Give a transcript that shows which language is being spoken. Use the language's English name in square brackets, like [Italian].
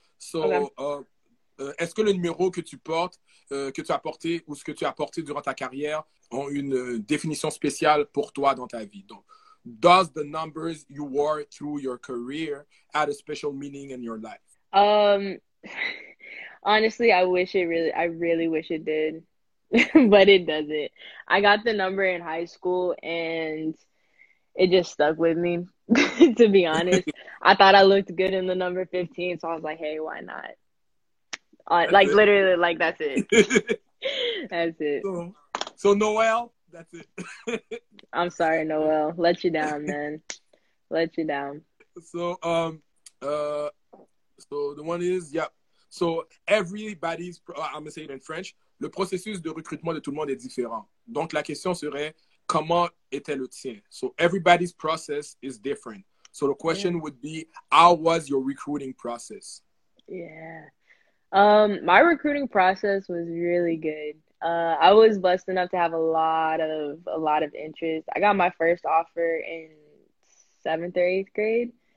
[French] So, est-ce que le numéro que tu portes, que tu as porté ou ce que tu as porté durant ta carrière ont une définition spéciale pour toi dans ta vie? [English] Donc, does the numbers you wore through your career add a special meaning in your life? Honestly, I really wish it did, but it doesn't. I got the number in high school and it just stuck with me, to be honest. I thought I looked good in the number 15, so I was like, hey, why not? That's Like, literally, like, that's it. it. That's it. So Noel, that's it. I'm sorry, Noel. Let you down, man. let you down. So the one is, yeah. So everybody's, I'm going to say it in French, [French] le processus de recrutement de tout le monde est différent. Donc la question serait, comment était le tien? [English] So everybody's process is different. So the question would be, how was your recruiting process? Yeah. My recruiting process was really good. I was blessed enough to have a lot of interest. I got my first offer in 7th or 8th grade.